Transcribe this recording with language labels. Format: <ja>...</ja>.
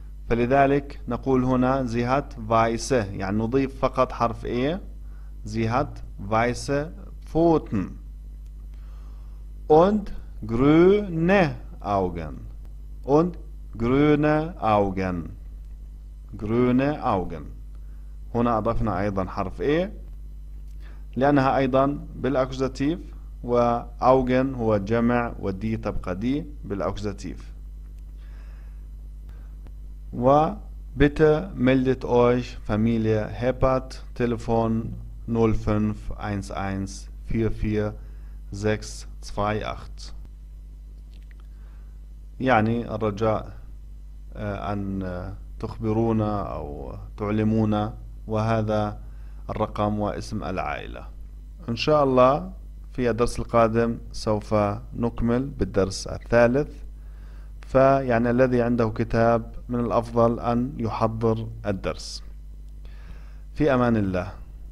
<ar>فلذلك نقول هنا</ar> <de>sie hat weiße</de> <ar>يعني نضيف فقط حرف A</ar> <de>sie hat weiße Pfoten und grüne Augen und grüne Augen grüne Augen.</de> <ar>هنا أضفنا أيضا حرف A لأنها أيضا بالأكوزاتيف، وأوغن هو جمع ودي تبقى دي بالأكوزاتيف.</ar> <de>و bitte meldet euch Familie Heppert Telefon 0511 44 628.</de> <ar>يعني الرجاء أن تخبرونا أو تعلمونا، وهذا الرقم واسم العائلة. إن شاء الله في الدرس القادم سوف نكمل بالدرس الثالث، فيعني الذي عنده كتاب من الأفضل أن يحضر الدرس. في أمان الله.</ar>